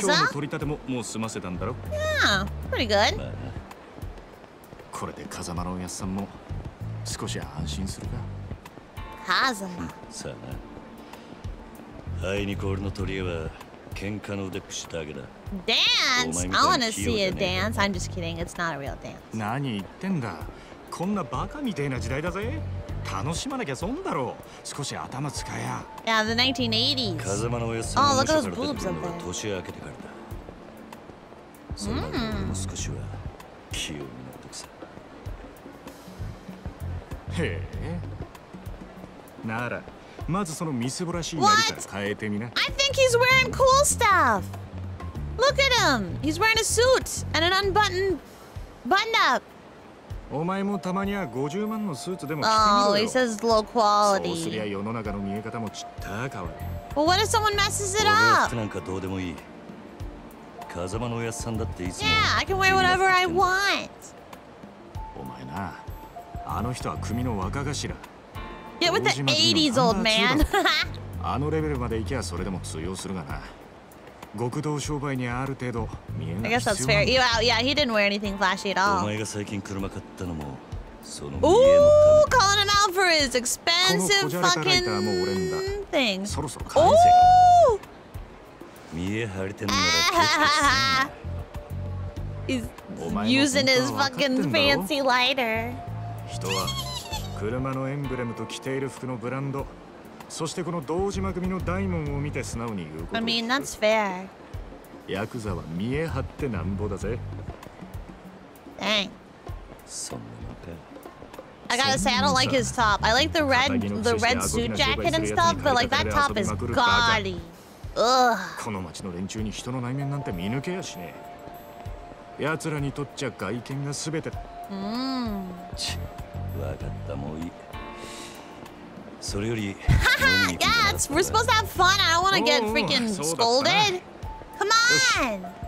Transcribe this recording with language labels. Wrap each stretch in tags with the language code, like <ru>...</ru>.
<ja>今日の取り立ても、もう済ませたんだろ?</ja> <en>Yeah,</en> <ja>これで風間のおやさんも少し安心するか。風間、うん、さあな。あいにこ俺の取り柄は喧嘩の腕っぷしだけだ。</ja> <en>ダンス、I wanna see you dance. I'm just kidding. It's not a real dance.</en> <ja>何言ってんだ。こんなバカみてえな時代だぜ。楽しまなきゃ損だろう。少し頭使え。</ja> <en>Yeah, the 1980s.</en> <ja>風間のおやさんも面白かったのは年明けてからだ。そんなのも少しは気を抜くさ。へえ。なら、まずそのみすぼらしいなりから変えてみな。</ja> <en>What? I think he's wearing cool stuff. Look at him. He's wearing a suit and an unbuttoned button-up.</en> <ja>お前もたまには50万のスーツでも着てみろよ。</ja> <en>Oh, he says low quality.</en> <ja>そうすりゃ世の中の見え方もちっと変わる。</ja> <en>Well, what if someone messes it up?</en> <ja>なんかどうでもいい。風間のおやっさんだっていつも。</ja> <en>Yeah, I can wear whatever I want.</en> <ja>お前な、あの人は組の若頭。</ja> <en>Get with the 80s old man.</en> <ja>あのレベルまで行けばそれでも通用するがな。極道商売にある程度見えない。</ja> <en>I guess that's fair. Yeah, he didn't wear anything flashy at all.</en> <ja>お前が最近車買ったのもその見えのため。</ja> <en>Oh, calling him out for his expensive fucking thing.</en> <ja>そろそろ返せ。見え張りてんなら消す。</ja> <en>He's using his fucking fancy lighter.</en> <ja>人は車のエンブレムと着ている服のブランド。そしてこの堂島組のダイモンを見て素直に言うこと。</ja> <en>I mean, that's fair.</en> <ja>ヤクザは見え張ってなんぼだぜ。</ja> <en>Dang.</en> <ja>そんなのか。</ja> <en>I gotta say, I don't like his top. I like the red suit jacket and stuff, but like that top is gaudy. Ugh.</en> <ja>この町の連中に人の内面なんて見抜けやしねえ。奴らにとっちゃ外見が全てだ。わかった、もういい。それより、</ja> <en>yes, we're supposed to have fun. I don't want to get freaking scolded. Come on.</en>